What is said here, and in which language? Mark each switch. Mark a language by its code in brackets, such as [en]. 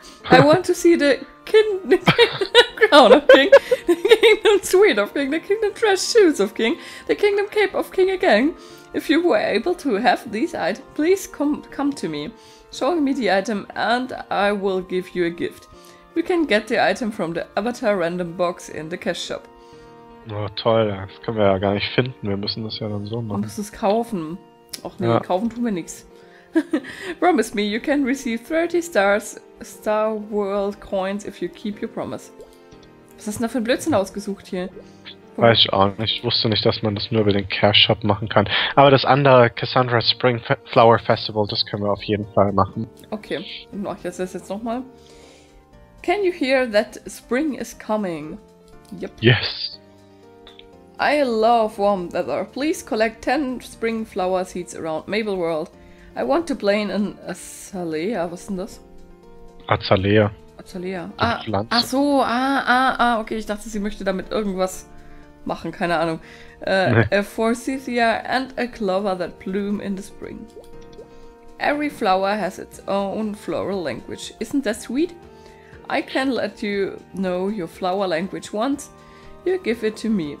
[en] I want to see the Kingdom Crown of King, the Kingdom Suite of King, the Kingdom Dress Shoes of King, the Kingdom Cape of King again. If you were able to have these items, please come to me. Show me the item and I will give you a gift. You can get the item from the Avatar Random Box in the Cash Shop. [de] Oh toll, das können wir ja gar nicht finden. Wir müssen das ja dann so machen. Du musst es kaufen. Ach nee, kaufen tun wir nichts. [en] Promise me, you can receive 30 Stars Star World Coins if you keep your promise. [de] Was hast du denn da für ein Blödsinn ausgesucht hier? Weiß ich auch nicht. Ich wusste nicht, dass man das nur über den Cash Shop machen kann. Aber das andere Cassandra Spring Flower Festival, das können wir auf jeden Fall machen. Okay, dann mach ich das jetzt nochmal. [en] Can you hear that spring is coming? Yep. Yes. I love warm weather. Please collect 10 spring flower seeds around Maple World. I want to plant an Azalea. [de] Was ist denn das? [en] Azalea. [de] Azalea. Ach so. Okay, ich dachte, sie möchte damit irgendwas machen, keine Ahnung. [en] A forsythia and a clover that bloom in the spring. Every flower has its own floral language. Isn't that sweet? I can let you know your flower language once you give it to me.